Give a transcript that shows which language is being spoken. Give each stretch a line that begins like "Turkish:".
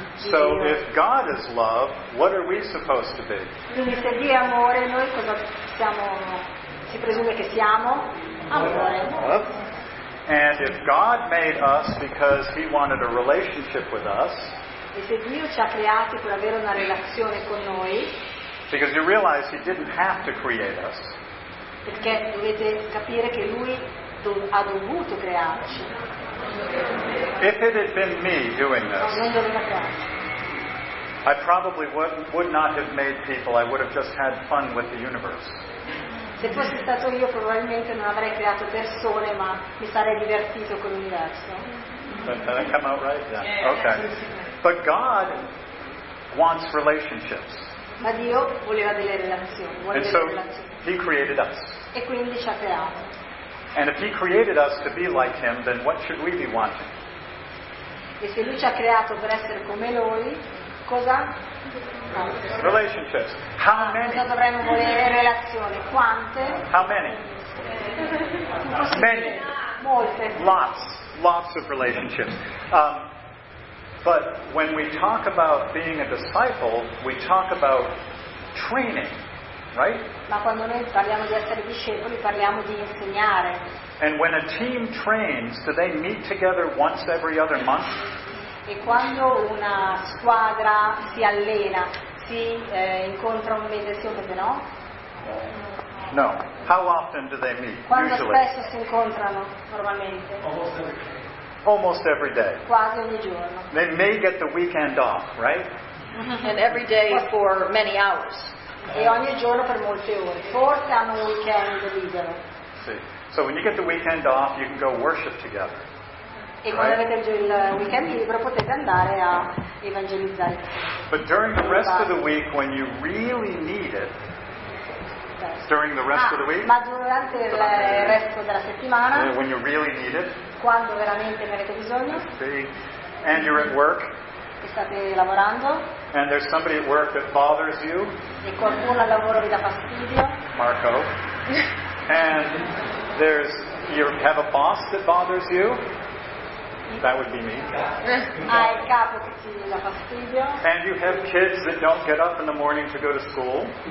English: So if God is love, what are we supposed to be?
Italian: Quindi se Dio è amore, noi cosa siamo? Si presume che siamo amore.
English: And if God made us because He wanted a relationship with us.
Italian: E se Dio ci ha creati per avere una relazione con noi.
English: Because you realize He didn't have to create us.
Italian: Perché dovete capire che Lui ha dovuto crearci.
English: If it had been me doing this, I probably would not have made people. I would have just had fun with the universe.
Italian: Se fossi stato io, probabilmente non avrei creato persone, ma mi sarei divertito con l'universo.
English: Did I come out right? Yeah. Okay. But God wants relationships.
Italian: Ma Dio voleva delle relazioni.
English: And so He created us.
Italian: E quindi ci ha creato.
English: And if He created us to be like Him, then what should we be wanting?
Italian: E se Lui ci ha creato per essere come Lui, cosa?
English: Relationships. How many?
Italian: Cosa dovremmo volere? Relazioni. Quante?
English: How many? Many.
Italian: Molte.
English: Lots. Lots of relationships. But when we talk about being a disciple, we talk about training, right?
Italian: Ma quando noi parliamo di essere discepoli, parliamo di insegnare.
English: And when a team trains, do they meet together once every other month?
Italian: E quando una squadra si allena, si incontra un mese sì o un mese no?
English: No. How often do they meet?
Italian: Quando
English: usually?
Italian: Spesso si incontrano normalmente?
English: Almost every day.
Italian: Quasi ogni giorno.
English: They may get the weekend off, right? And every day for many hours.
Italian: E ogni giorno per molte ore. Forse hanno un weekend libero. Sì.
English: So when you get the weekend off, you can go worship together.
Italian: E quando avete il weekend libero potete andare a evangelizzare.
English: But during the rest of the week, when you really need it, during the rest of the week,
Italian: ma durante il resto della settimana,
English: when you really need it,
Italian: quando veramente ne avete bisogno,
English: and you're at work,
Italian: e state lavorando,
English: and there's somebody at work that bothers you,
Italian: e qualcuno al lavoro vi dà fastidio,
English: Marco, and there's you have a boss that bothers you. That would be me. And you have kids that don't get up in the morning to go to school.